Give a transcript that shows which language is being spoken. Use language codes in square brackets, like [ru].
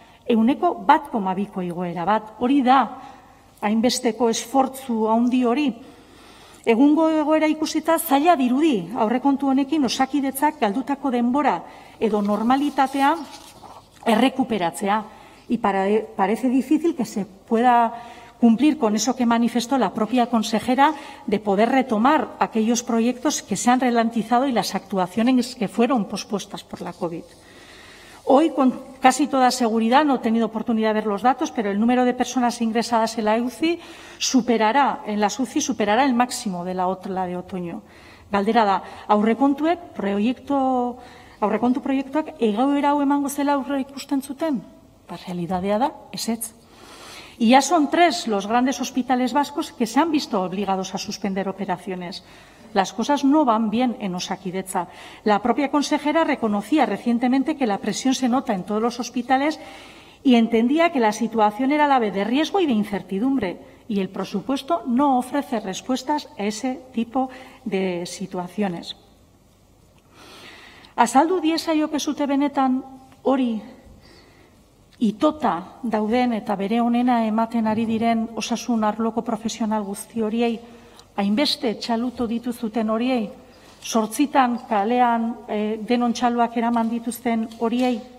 [eu] euneko 1,2ko igoera bat. Hori da, hainbesteko esfortzu handi hori. Egungo egoera ikusita zaila dirudi, aurrekontu honekin Osakidetzak galdutako denbora edo normalitatea errekuperatzea. [es] Y parece difícil que se pueda cumplir con eso que manifestó la propia consejera de poder retomar aquellos proyectos que se han ralentizado y las actuaciones que fueron pospuestas por la COVID. Hoy, con casi toda seguridad, no he tenido oportunidad de ver los datos, pero el número de personas ingresadas en la UCI superará, en las UCI superará el máximo de la de otoño. [eu] Galdera da, aurrekontuek aurrekontu proiektuak egoera hau emango zela aurre ikusten zuten? [es] La realidad [eu] da, ezetz. [es] Y ya son tres los grandes hospitales vascos que se han visto obligados a suspender operaciones. Las cosas no van bien en Osakidetza. La propia consejera reconocía recientemente que la presión se nota en todos los hospitales y entendía que la situación era a la vez de riesgo y de incertidumbre. Y el presupuesto no ofrece respuestas a ese tipo de situaciones. [eu] Azaldu diezaiokezute zute benetan hori itota dauden eta bere onena ematen ari diren osasun arloko profesional guzti horiei, hainbeste txaluto dituzuten horiei, 8tan kalean denon txaluak eraman dituzten horiei,